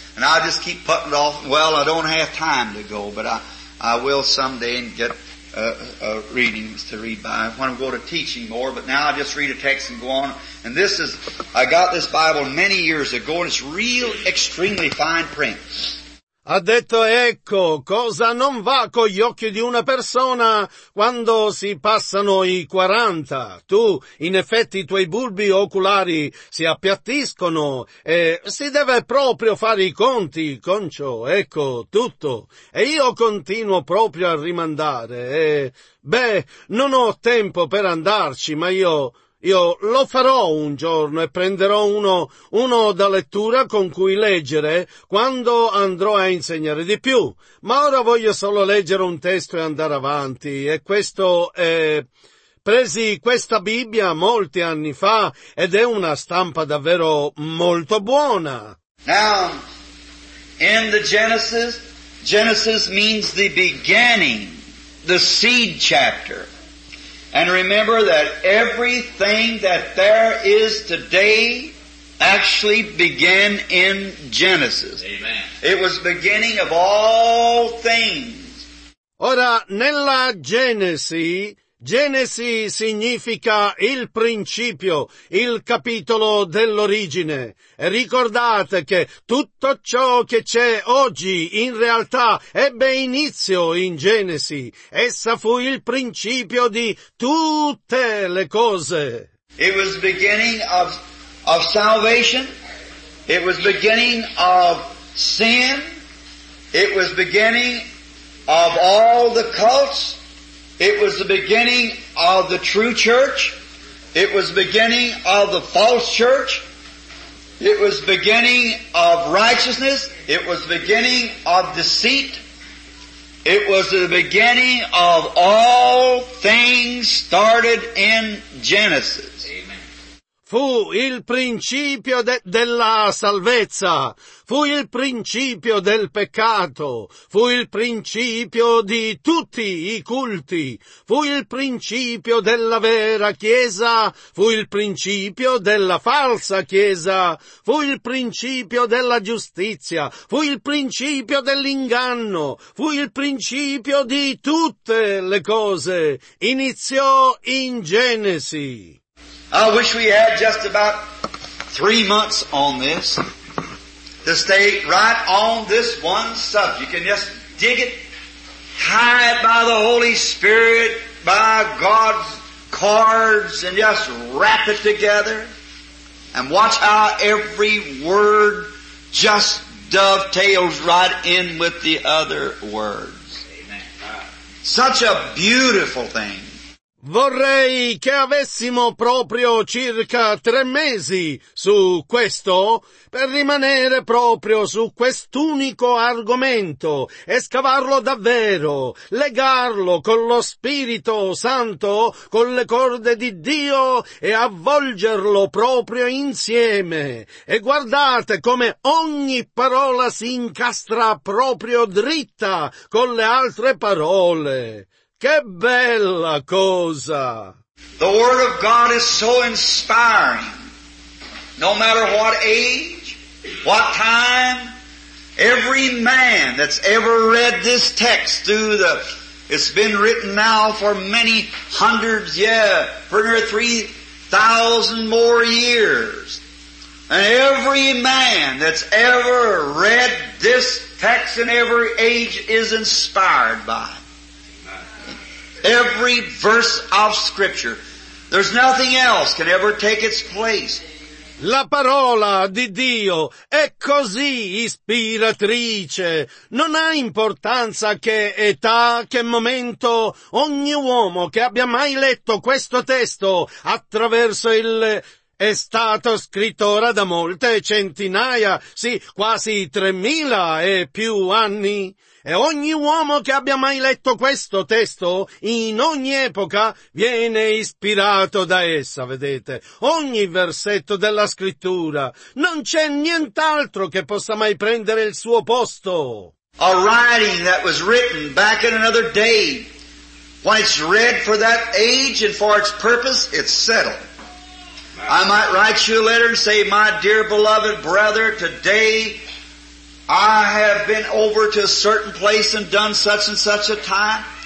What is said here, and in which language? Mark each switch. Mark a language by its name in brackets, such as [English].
[English] And I just keep putting it off. Well, I don't have time to go, but I will someday and get readings to read by. I want to go to teaching more, but now I just read a text and go on. And this is, I got this Bible many years ago, and it's real extremely fine print. [Italian] Ha detto, ecco, cosa non va con gli occhi di una persona quando si passano i 40. Tu, in effetti, i tuoi bulbi oculari si appiattiscono e si deve proprio fare i conti con ciò, ecco, tutto. E io continuo proprio a rimandare e, beh, non ho tempo per andarci, ma io lo farò un giorno e prenderò uno da lettura con cui leggere quando andrò a insegnare di più. Ma ora voglio solo leggere un testo e andare avanti. E questo è... Presi questa Bibbia molti anni fa ed è una stampa davvero molto buona. [English] Now, in the Genesis, Genesis means the beginning, the seed chapter. And remember that everything that there is today actually began in Genesis. Amen. It was beginning of all things. [Italian] Ora, nella Genesi, Genesi significa il principio, il capitolo dell'origine. E ricordate che tutto ciò che c'è oggi in realtà ebbe inizio in Genesi. Essa fu il principio di tutte le cose. [English] It was beginning of salvation. It was beginning of sin. It was beginning of all the cults. It was the beginning of the true church. It was the beginning of the false church. It was the beginning of righteousness. It was the beginning of deceit. It was the beginning of all things started in Genesis. [Italian] Fu il principio della salvezza, fu il principio del peccato, fu il principio di tutti i culti, fu il principio della vera Chiesa, fu il principio della falsa Chiesa, fu il principio della giustizia, fu il principio dell'inganno, fu il principio di tutte le cose. Iniziò in Genesi. [English] I wish we had just about 3 months on this to stay right on this one subject and just dig it, tie it by the Holy Spirit, by God's cards and just wrap it together. And watch how every word just dovetails right in with the other words. Such a beautiful thing. [Italian] Vorrei che avessimo proprio circa 3 mesi su questo, per rimanere proprio su quest'unico argomento e scavarlo davvero, legarlo con lo Spirito Santo, con le corde di Dio e avvolgerlo proprio insieme. E guardate come ogni parola si incastra proprio dritta con le altre parole. Che bella cosa! [English] The Word of God is so inspiring. No matter what age, what time, every man that's ever read this text through the... It's been written now for many hundreds, for near 3,000 more years. And every man that's ever read this text in every age is inspired by it. Every verse of Scripture. There's nothing else can ever take its place. [Italian] La parola di Dio è così ispiratrice. Non ha importanza che età, che momento. Ogni uomo che abbia mai letto questo testo attraverso il... È stato scritto ora da molte centinaia, sì, quasi 3,000 e più anni. E ogni uomo che abbia mai letto questo testo, in ogni epoca, viene ispirato da essa, vedete. Ogni versetto della scrittura. Non c'è nient'altro che possa mai prendere il suo posto. [English] A writing that was written back in another day, when it's read for that age and for its purpose, it's settled. I might write you a letter and say, my dear beloved brother, today I have been over to a certain place and done such and such a time.